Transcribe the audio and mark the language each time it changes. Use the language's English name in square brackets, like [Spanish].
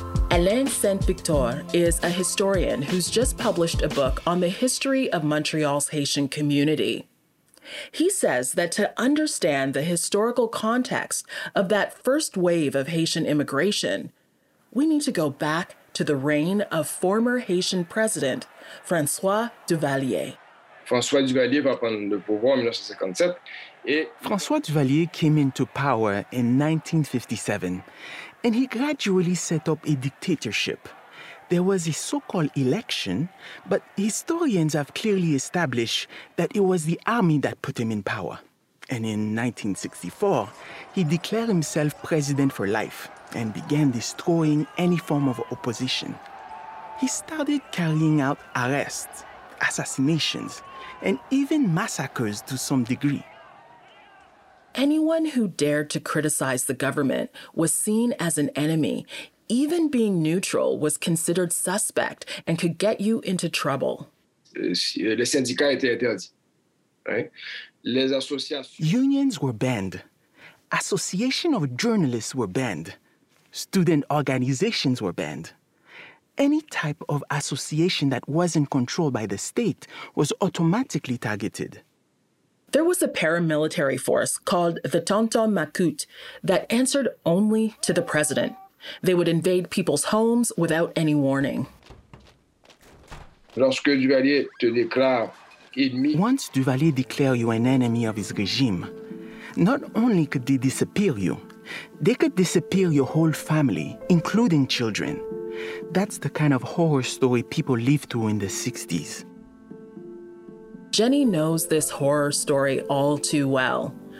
[English] Alain Saint-Victor is a historian who's just published a book on the history of Montreal's Haitian community. He says that to understand the historical context of that first wave of Haitian immigration, we need to go back to the reign of former Haitian president, François Duvalier. [French] François Duvalier va prendre le pouvoir en 1957. Et... [English] François Duvalier came into power in 1957, and he gradually set up a dictatorship. There was a so-called election, but historians have clearly established that it was the army that put him in power. And in 1964, he declared himself president for life and began destroying any form of opposition. He started carrying out arrests, assassinations, and even massacres to some degree. Anyone who dared to criticize the government was seen as an enemy, even being neutral was considered suspect and could get you into trouble. [French] Le syndicat était interdit. [English] Right? [French] Les associations. [English] Unions were banned. Association of journalists were banned. Student organizations were banned. Any type of association that wasn't controlled by the state was automatically targeted. There was a paramilitary force called the Tonton Macoute that answered only to the president. They would invade people's homes without any warning. [French] Lorsque Duvalier te déclare ennemi. [English] Once Duvalier declared you an enemy of his regime, not only could they disappear you, they could disappear your whole family, including children. That's the kind of horror story people lived through in the 60s. Jenny knows this horror story all too well.